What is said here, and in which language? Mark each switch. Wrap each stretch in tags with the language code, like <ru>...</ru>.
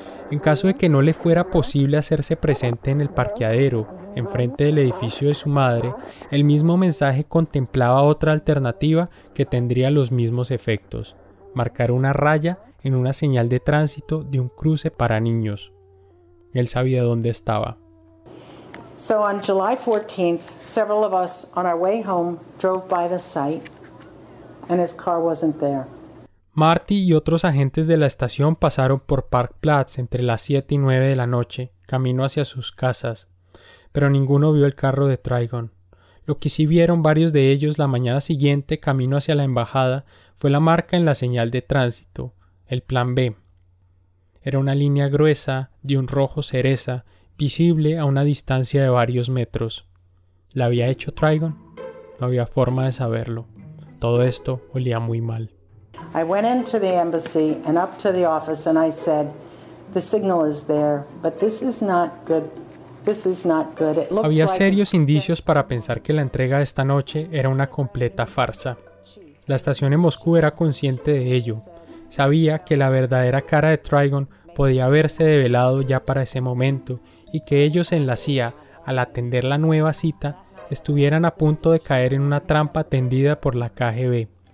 <es>En caso de que no le fuera posible hacerse presente en el parqueadero, enfrente del edificio de su madre, el mismo mensaje contemplaba otra alternativa que tendría los mismos efectos: marcar una raya en una señal de tránsito de un cruce para niños. Él sabía dónde estaba.</es> <en>So on July 14th, several of us on our way home drove by the site and his car wasn't there.</en> <es>Marty y otros agentes de la estación pasaron por Park Platz entre las 7 y 9 de la noche, camino hacia sus casas, pero ninguno vio el carro de Trigon. Lo que sí vieron varios de ellos la mañana siguiente, camino hacia la embajada, fue la marca en la señal de tránsito, el plan B. Era una línea gruesa, de un rojo cereza, visible a una distancia de varios metros. ¿La había hecho Trigon? No había forma de saberlo. Todo esto olía muy mal.</es> <en>I went into the embassy and up to the office and I said, the signal is there, but this is not good. This is not good. It looks</en> <es>Había serios indicios para pensar que la entrega de esta noche era una completa farsa. La estación en Moscú era consciente de ello. Sabía que la verdadera cara de Trigon podía haberse develado ya para ese momento y que ellos en la CIA, al atender la nueva cita, estuvieran a punto de caer en una trampa tendida por la KGB.</es>